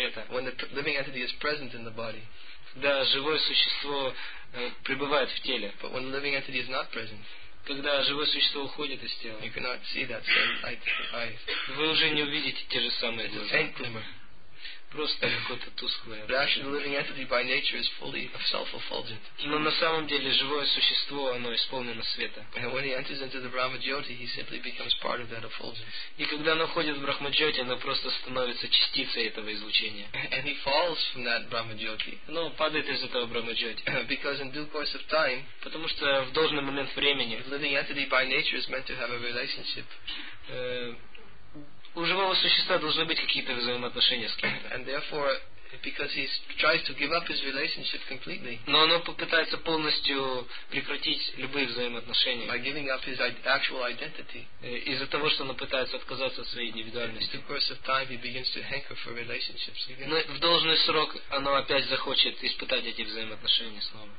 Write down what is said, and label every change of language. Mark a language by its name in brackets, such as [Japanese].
[English] when the living entity is present in the body. [Russian] Когда живое существо пребывает в теле. [English] But when the living entity is not present. [Russian] Когда живое существо уходит из тела, [English] you cannot see that same light in the eyes. [Russian] Вы уже не увидите те же самые глаза. [English] It's a faint glimmer. [Russian] Просто какое-то тусклое. [English] But actually, the living entity by nature is fully of self-effulgent. [Russian] Но на самом деле живое существо, оно исполнено света. [English] And when he enters into the Brahmajyoti, he simply becomes part of that effulgence. [Russian] И когда он уходит в Брахмаджоти, оно просто становится частицей этого излучения. [English] And he falls from that Brahmajyoti. [Russian] Но падает из этого Брахмаджоти. [English] Because in due course of time, [Russian] потому что в должный момент времени, [English] the living entity by nature is meant to have a relationship. [Russian] У живого существа должны быть какие-то взаимоотношения с кем-то. [English] And therefore, because he tries to give up his relationship completely. [Russian] Но оно попытается полностью прекратить любые взаимоотношения. [English] By giving up his actual identity. [Russian] Из-за того, что оно пытается отказаться от своей индивидуальности. [English] In the course of time, he begins to hanker for relationships. [Russian] Но в должный срок оно опять захочет испытать эти взаимоотношения снова.